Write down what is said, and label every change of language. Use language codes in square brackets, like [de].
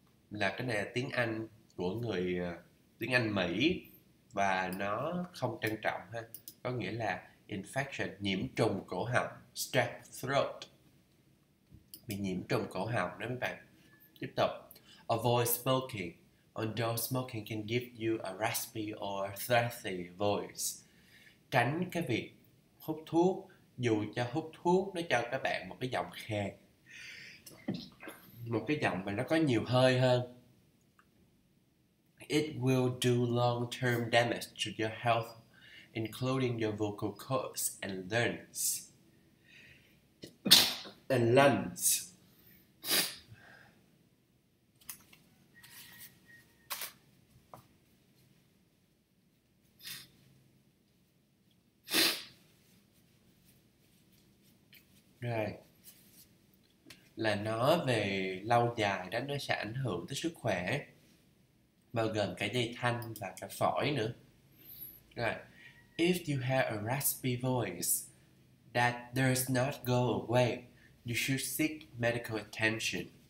[vi] Là cái này là tiếng Anh của người tiếng Anh Mỹ và nó không trang trọng ha, có nghĩa là infection, nhiễm trùng cổ họng, strep throat, bị nhiễm trùng cổ họng đó mấy bạn. Tiếp tục, [en] avoid smoking. Although smoking can give you a raspy or throaty voice. [vi] Tránh cái việc hút thuốc, dù cho hút thuốc nó cho các bạn một cái giọng khàn, một cái giọng mà nó có nhiều hơi hơn. [en] It will do long-term damage to your health, including your vocal cords and lungs. And lungs. [vi] Rồi. Là nó về lâu dài đó, nó sẽ ảnh hưởng tới sức khỏe, bao gồm cả dây thanh và cả phổi nữa. Rồi. [en] If you have a raspy voice that does not go away, you should seek medical attention.